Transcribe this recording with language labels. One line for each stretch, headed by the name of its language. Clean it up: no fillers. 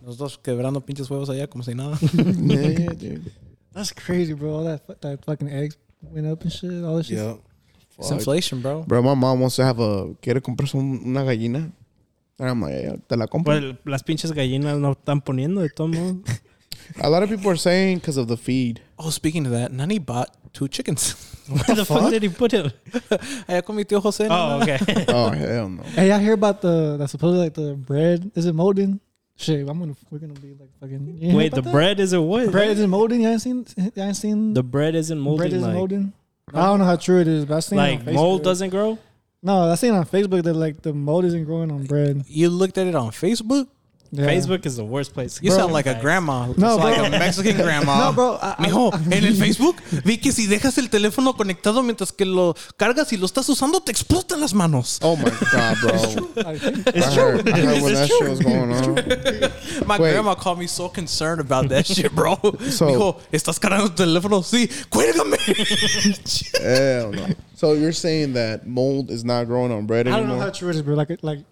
Spanish: Los dos quebrando pinches huevos allá como si nada.
English: Yeah, dude. That's crazy, bro. All that fucking eggs went up and shit. All this shit. Yep. It's inflation, bro. Bro, my mom wants to have a
Spanish: quiere comprarse una gallina. Te la compro. Las pinches gallinas no están poniendo de todo modo.
English: A lot of people are saying because of the feed. Oh, speaking of that, Nani bought 2 chickens. Where the fuck did he put it?
Spanish: Allá con mi tío José.
English: Oh, okay. Oh, hell no. Hey, I hear about the supposedly like the bread. Is it molding? Shit, we're gonna be like fucking. Wait, the that? Bread is it what? Bread isn't molding. You ain't seen. The bread isn't molding. Bread isn't like, molding. I don't know how true it is, but I've seen like it on mold doesn't grow. No, I seen on Facebook that like the mold isn't growing on bread. You looked at it on Facebook? Yeah. Facebook is the worst place. You sound like a grandma. No, it's like a Mexican grandma. No, bro.
Spanish: Mijo, en el Facebook vi que si dejas el teléfono conectado mientras que lo cargas y lo estás usando, te explotan las manos.
English: Oh my God, bro. It's true. I heard when that shit was going on. My grandma called me so concerned about that shit, bro. So,
Spanish: mijo, ¿estás cargando el teléfono? Sí. Cuélgame.
English: Hell no. So you're saying that mold is not growing on bread anymore? I don't know how true it is, bro. Like,